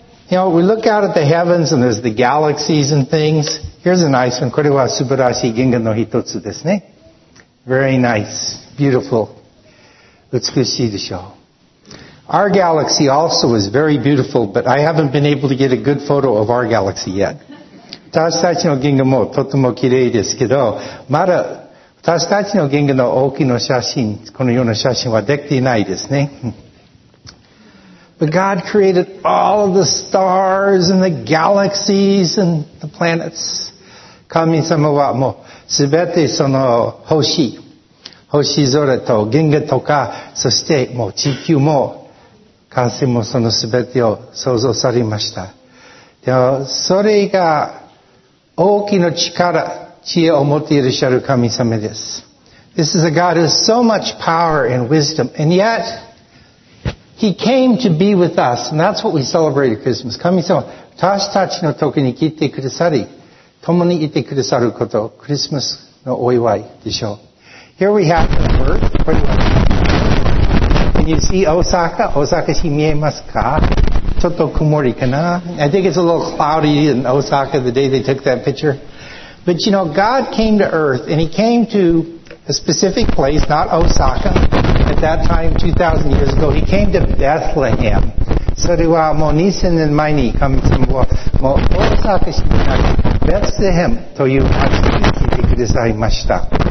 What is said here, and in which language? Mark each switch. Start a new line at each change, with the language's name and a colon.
English: You know, we look out at the heavens and there's the galaxies and things. Here's a nice one.
Japanese: これは素晴らしい銀河の一つですね。
English: Very nice. Beautiful.
Japanese: 美しいでしょう。
English: Our galaxy also is very beautiful, but I haven't been able to get a good photo of our galaxy yet.
Japanese: 私たちの銀河もとても綺麗ですけど、まだ私たちの銀河の大きな写真、このような写真はできていないですね。
English: But God created all of the stars and the galaxies and the planets.
Japanese: 神様はもうすべてその星、星空と銀河とか、そしてもう地球も、火星もそのすべてを創造されました。でもそれが大きな力、知恵を持っていらっしゃる神様です。
English: This is a God who has so much power and wisdom, and yet,He came to be with us, and that's what we celebrate at Christmas.
Japanese: 神様、私たちの時に来てくださり、共にいてくださること、クリスマスのお祝いでしょう。
English: Here we have the earth. Can you see Osaka?
Japanese: Osaka 市見えますか？ちょっと曇りかな？
English: I think it's a little cloudy in Osaka the day they took that picture. But you know, God came to earth, and he came to a specific place, not Osaka. At that time, 2,000 years ago, he came to Bethlehem.
Japanese: それはもう2000年前に神様はもう大阪市にあるベツレヘムという町に来てくださいました。